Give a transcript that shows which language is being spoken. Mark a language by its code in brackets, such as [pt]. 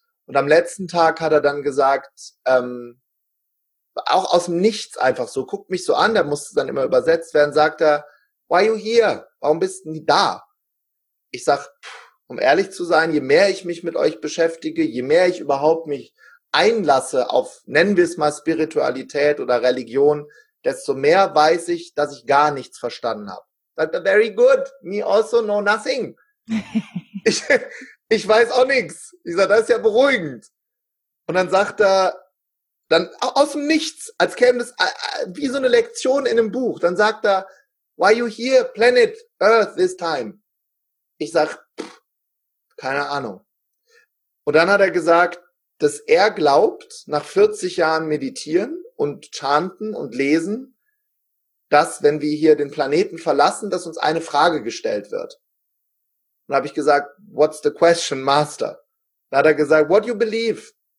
[de] Und am letzten Tag hat er dann gesagt, auch aus dem Nichts einfach so, guckt mich so an, da musste dann immer übersetzt werden, sagt er, [en] why are you here? [de] Warum bist du nie da? Ich sag, um ehrlich zu sein, je mehr ich mich mit euch beschäftige, je mehr ich überhaupt mich einlasse auf, nennen wir es mal Spiritualität oder Religion, desto mehr weiß ich, dass ich gar nichts verstanden habe. Sagt er, [en] very good, me also know nothing. [de] Ich weiß auch nichts. Ich sage, das ist ja beruhigend. Und dann sagt er, dann aus dem Nichts, als käme das wie so eine Lektion in einem Buch, dann sagt er, [en] why are you here, planet Earth, this time? [de] Ich sag, keine Ahnung. Und dann hat er gesagt, dass er glaubt, nach 40 Jahren meditieren und chanten und lesen, dass, wenn wir hier den Planeten verlassen, dass uns eine Frage gestellt wird. Und habe ich gesagt, [en] what's the question, Master? [de] Dann hat er gesagt, [en] what do you believe?